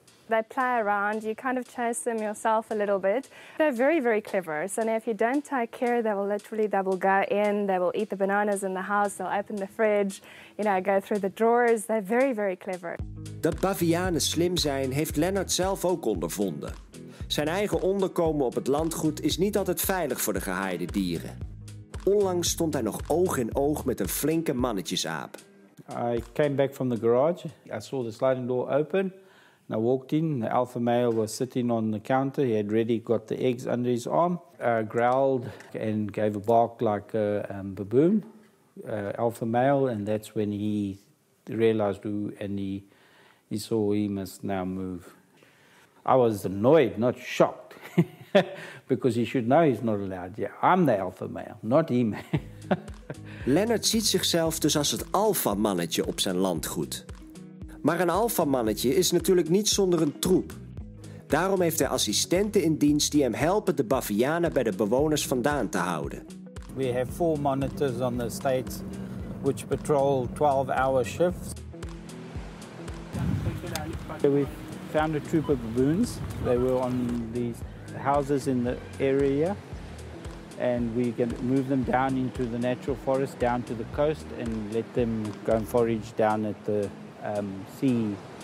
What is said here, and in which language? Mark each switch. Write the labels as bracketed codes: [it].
[en] They play around, you kind of chase them yourself a little bit. They're very, very clever. So now if you don't take care, they will go in, they will eat the bananas in the house, they'll open the fridge, you know, go through the drawers. They're very, very clever. [nl] Dat bavianen slim zijn, heeft Lennart zelf ook ondervonden. Zijn eigen onderkomen op het landgoed is niet altijd veilig voor de gehaaide dieren. Onlangs stond hij nog oog in oog met een flinke mannetjesaap. [en] I came back from the garage. I saw the sliding door open. I walked in. The alpha male was sitting on the counter. He had already got the eggs under his arm. Growled and gave a bark like a baboon. Alpha male, and that's when he realized who, and he saw he must now move. I was annoyed, not shocked. Because he should know he's not allowed. Yeah, I'm the alpha male, not him. [nl] Lennart ziet zichzelf dus als het alpha mannetje op zijn landgoed. Maar een alpha mannetje is natuurlijk niet zonder een troep. Daarom heeft hij assistenten in dienst die hem helpen de bavianen bij de bewoners vandaan te houden. [en] We have 4 monitors on the estate which patrol 12-hour shifts. We found a troop of baboons. They were on these houses in the area. And we can move them down into the natural forest, down to the coast, and let them go and forage down at the sea.